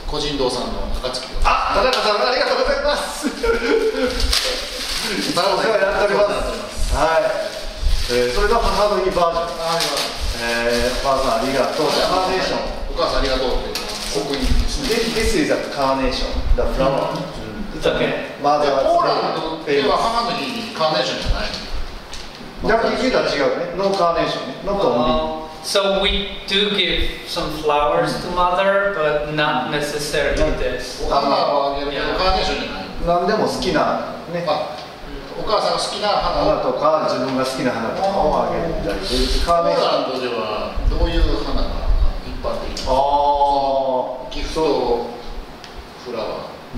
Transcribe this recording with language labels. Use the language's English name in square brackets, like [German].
[Japanese] 個人堂さんの高槻です。あ、田中さん、ありがとうございます。お世話になっております。はい。それが母の日バージョン。ありがとう。お母さん、ありがとう。カーネーション。お母さん、ありがとうって言った刻印ですね。 [English] This is a carnation, the flower. [Japanese] うん。だけ。まずは、ポーランドでは母の日にカーネーションじゃない。 [English] No carnation, not only. So we do give some flowers to mother, but not necessarily this. Carnation, [Japanese] carnation. 何でも好きなね。母さんが好きな花、花とか自分が好きな花とかをあげたりして。カーネーションではどういう花が一般的ですか？ギフトフラワ